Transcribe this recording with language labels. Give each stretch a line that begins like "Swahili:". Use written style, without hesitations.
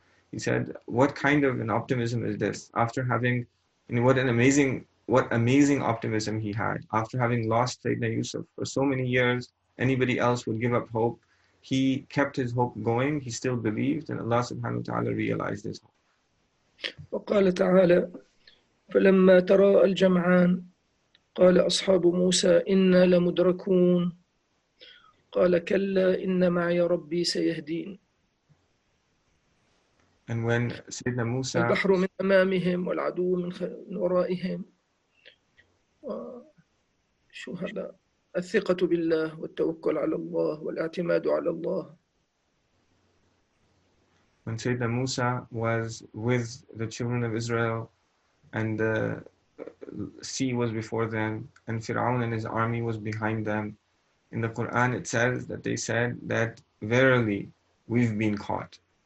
English: He said, what kind of an optimism is this? After having, and what amazing optimism he had. After having lost Sayyidina Yusuf for so many years, anybody else would give up hope. He kept his hope going. He still believed, and Allah subhanahu wa ta'ala realized his hope.
Arabic: وقال تعالى فلما ترى الجمعان قال أصحاب موسى إنا لمدركون قال كلا إن معي ربي سيهدين.
English: And when Sayyidina Musa,
Arabic: البحر من أمامهم والعدو من ورائهم، شو هذا؟ الثقة بالله والتوكل على الله والاعتماد على الله.
English: When Sayyidina Musa was with the children of Israel and the sea was before them and Fir'aun and his army was behind them, in the Quran it says that they said that verily we've been caught.